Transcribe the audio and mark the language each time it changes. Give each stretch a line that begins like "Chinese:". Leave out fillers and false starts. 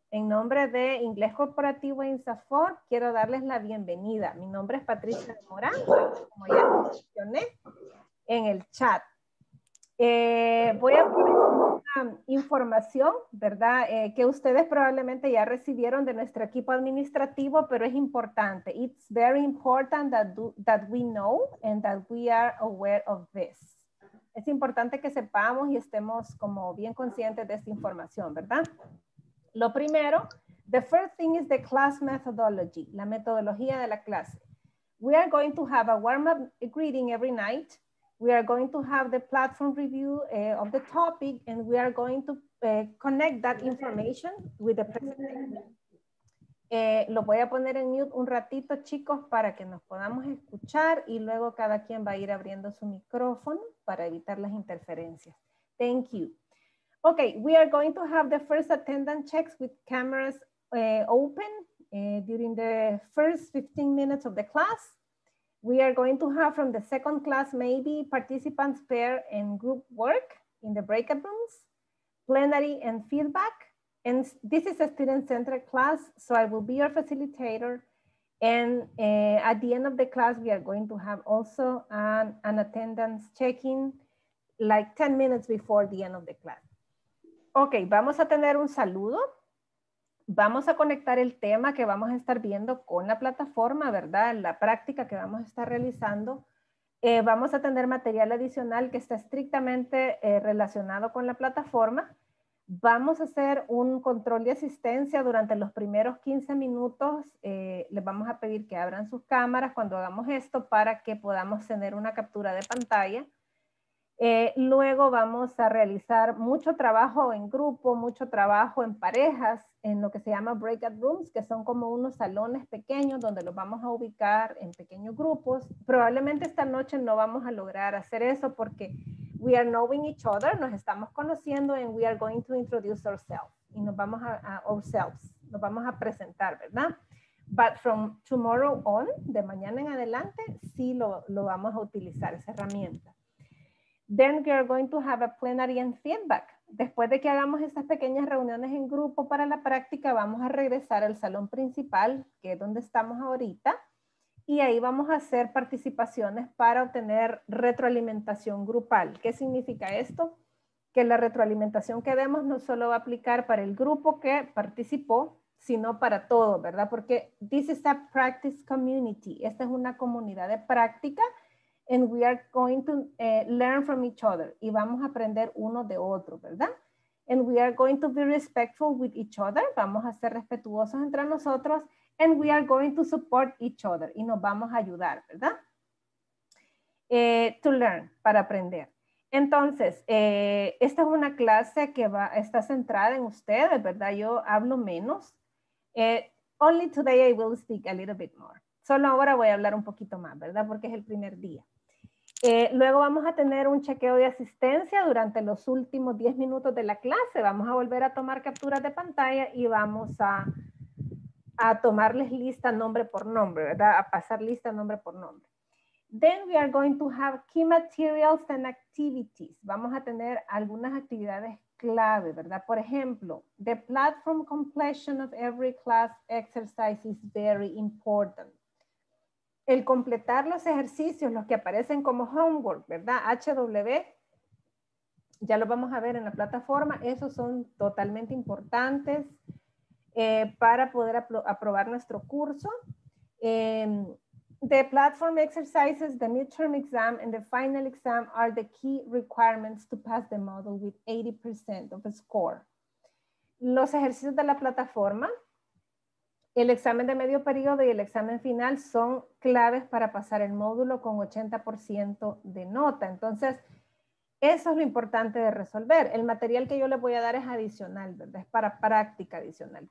Spanish: En nombre de Inglés Corporativo e INSAFOR, quiero darles la bienvenida. Mi nombre es Patricia de Morán, como ya mencioné en el chat. Voy a poner una información, ¿verdad? Que ustedes probablemente ya recibieron de nuestro equipo administrativo, pero es importante.
English: It's very important that we know and that we are aware of this.
Spanish: Es importante que sepamos y estemos como bien conscientes de esta información, ¿verdad? Lo primero,
English: the first thing is the class methodology,
Spanish: la metodología de la clase.
English: We are going to have a warm-up greeting every night. We are going to have the platform review of the topic, and we are going to connect that information with the presentation.
Spanish: Lo voy a poner en mute un ratito, chicos, para que nos podamos escuchar y luego cada quien va a ir abriendo su micrófono para evitar las interferencias.
English: Thank you. Okay, we are going to have the first attendance checks with cameras open during the first 15 minutes of the class. We are going to have from the second class, maybe participants pair and group work in the breakout rooms, plenary and feedback. And this is a student-centered class, so I will be your facilitator. And at the end of the class, we are going to have also an attendance check-in like 10 minutes before the end of the class.
Spanish: Okay, vamos a tener un saludo. Vamos a conectar el tema que vamos a estar viendo con la plataforma, ¿verdad? La práctica que vamos a estar realizando. Vamos a tener material adicional que está estrictamente relacionado con la plataforma. Vamos a hacer un control de asistencia durante los primeros 15 minutos. Les vamos a pedir que abran sus cámaras cuando hagamos esto para que podamos tener una captura de pantalla. Luego vamos a realizar mucho trabajo en grupo, mucho trabajo en parejas, en lo que se llama breakout rooms, que son como unos salones pequeños donde los vamos a ubicar en pequeños grupos. Probablemente esta noche no vamos a lograr hacer eso porque
English: we are knowing each other,
Spanish: nos estamos conociendo,
English: and we are going to introduce ourselves.
Spanish: Y nos vamos a
English: ourselves,
Spanish: nos vamos a presentar, ¿verdad?
English: But from tomorrow on,
Spanish: de mañana en adelante, sí lo vamos a utilizar, esa herramienta.
English: Then we are going to have a plenary and feedback.
Spanish: Después de que hagamos estas pequeñas reuniones en grupo para la práctica, vamos a regresar al salón principal, que es donde estamos ahorita, y ahí vamos a hacer participaciones para obtener retroalimentación grupal. ¿Qué significa esto? Que la retroalimentación que demos no solo va a aplicar para el grupo que participó, sino para todo, ¿verdad? Porque
English: this is a practice community.
Spanish: Esta es una comunidad de práctica,
English: and we are going to learn from each other.
Spanish: Y vamos a aprender uno de otro, ¿verdad?
English: And we are going to be respectful with each other.
Spanish: Vamos a ser respetuosos entre nosotros.
English: And we are going to support each other.
Spanish: Y nos vamos a ayudar, ¿verdad?
English: To learn,
Spanish: para aprender. Entonces, esta es una clase que está centrada en ustedes, ¿verdad? Yo hablo menos.
English: Only today I will speak a little bit more.
Spanish: Solo ahora voy a hablar un poquito más, ¿verdad? Porque es el primer día. Luego vamos a tener un chequeo de asistencia durante los últimos 10 minutos de la clase. Vamos a volver a tomar capturas de pantalla y vamos a tomarles lista nombre por nombre, ¿verdad? A pasar lista nombre por nombre.
English: Then we are going to have key materials and activities.
Spanish: Vamos a tener algunas actividades clave, ¿verdad? Por ejemplo,
English: the platform completion of every class exercise is very important.
Spanish: El completar los ejercicios, los que aparecen como homework, ¿verdad? HW, ya lo vamos a ver en la plataforma. Esos son totalmente importantes para poder aprobar nuestro curso.
English: The platform exercises, the midterm exam, and the final exam are the key requirements to pass the module with 80% of the score.
Spanish: Los ejercicios de la plataforma, el examen de medio periodo y el examen final son claves para pasar el módulo con 80% de nota. Entonces, eso es lo importante de resolver. El material que yo les voy a dar es adicional, ¿verdad? Es para práctica adicional.